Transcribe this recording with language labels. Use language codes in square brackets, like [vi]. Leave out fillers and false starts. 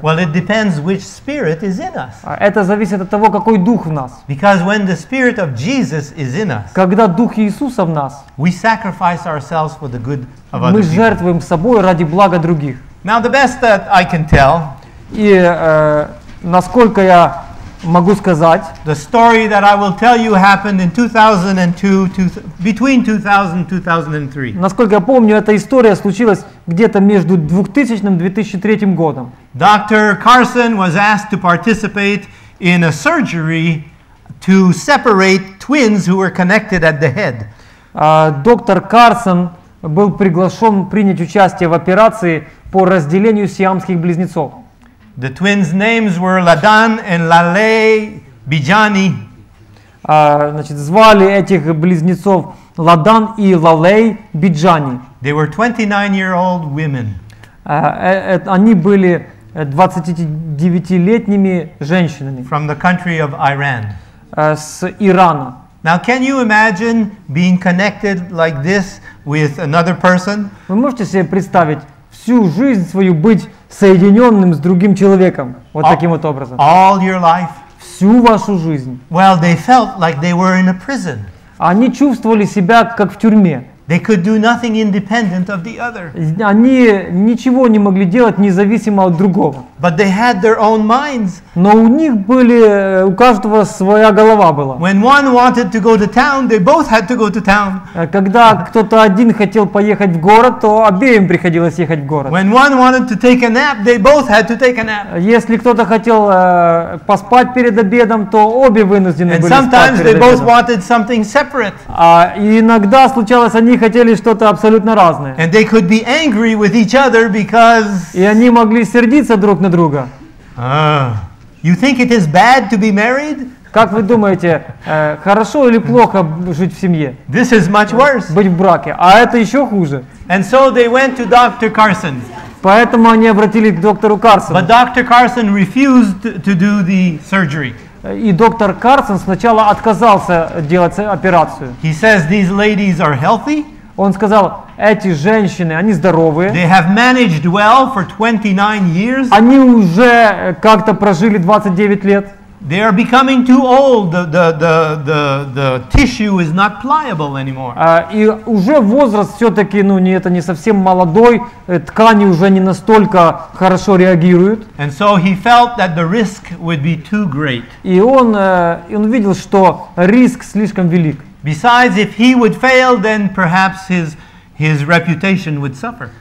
[en] Well, it depends which spirit is in us. [ru] Это зависит от того, какой дух в нас. [en] Because when the spirit of Jesus is in us, [ru] когда дух Иисуса в нас, [en] we sacrifice ourselves for the good of others. [ru] Мы жертвуем собой ради блага других. [en] Now, the best that I can tell, [ru] и насколько я могу сказать, [en] the story that I will tell you happened in 2002, between 2000 and 2003. [ru] Насколько я помню, эта история случилась где-то между 2000 и 2003 годом. [en] Dr. Carson was asked to participate in a surgery to separate twins who were connected at the head. [ru] Доктор Карсон был приглашен принять участие в операции по разделению сиамских близнецов. [en] The twins' names were Ladan and Lalay Bijani. [ru] Значит, звали этих близнецов Ладан и Лалей Биджани. [en] They were 29-year-old women. [ru] Они были 29-летними женщинами. [en] From the country of Iran. [ru] С Ирана. [en] Now, can you imagine being connected like this with another person? [ru] Вы можете себе представить всю жизнь свою быть соединенным с другим человеком вот таким вот образом? [en] All your life. [ru] Всю вашу жизнь. [en] Well, they felt like they were in a prison. [ru] Они чувствовали себя как в тюрьме. [en] They could do nothing independent of the other. [ru] Они ничего не могли делать независимо от другого. [en] But they had their own minds. [ru] Но у них были, у каждого своя голова была. [en] When one wanted to go to town, they both had to go to town. [ru] Когда кто-то один хотел поехать в город, то обеим приходилось ехать в город. [en] When one wanted to take a nap, they both had to take a nap. [ru] Если кто-то хотел поспать перед обедом, то обе вынуждены [en] And [ru] были [en] sometimes [ru] спать перед [en] they [ru] обедом. [en] Both wanted something separate. [ru] Иногда случалось, они хотели что-то абсолютно разное. [en] And they could be angry with each other because... [ru] И они могли сердиться друг на друга. [en] You think it is bad to be married? [ru] Как вы думаете, хорошо или плохо жить в семье? [en] This is much worse. [ru] Быть в браке. А это еще хуже. [en] And so they went to Dr. Carson. [ru] Поэтому они обратились к доктору Карсону. [en] But Dr. Carson refused to do the surgery. [ru] И доктор Карсон сначала отказался делать операцию. [en] He says these ladies are healthy. [ru] Он сказал, эти женщины, они здоровые. [en] They have managed well for 29 years. [ru] Они уже как-то прожили 29 лет. [en] They are becoming too old. The tissue is not pliable anymore. [ru] И уже возраст все-таки, ну не это не совсем молодой, ткани уже не настолько хорошо реагируют. [en] And so he felt that the risk would be too great. [ru] И он видел, что риск слишком велик. [en] Besides, if he would fail, then perhaps his reputation would suffer.